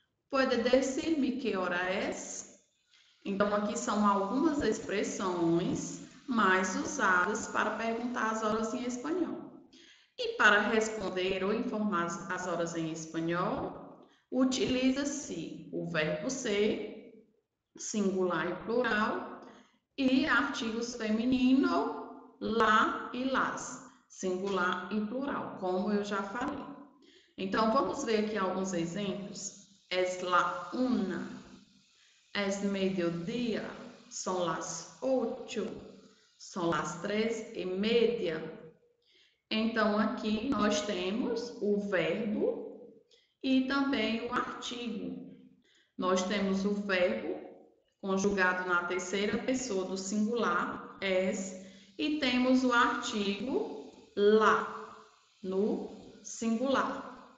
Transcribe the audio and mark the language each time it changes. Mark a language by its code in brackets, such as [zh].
[es] Puede decirme que hora es? [pt] Então, aqui são algumas expressões mais usadas para perguntar as horas em espanhol. E para responder ou informar as horas em espanhol, utiliza-se o verbo ser, singular e plural, e artigos feminino, la e las, singular e plural, como eu já falei. Então, vamos ver aqui alguns exemplos. [es] Es la una. Es mediodía, son las 8, son las 3:30. [pt] Então, aqui nós temos o verbo e também o artigo. Nós temos o verbo conjugado na terceira pessoa do singular, es, e temos o artigo la, no singular.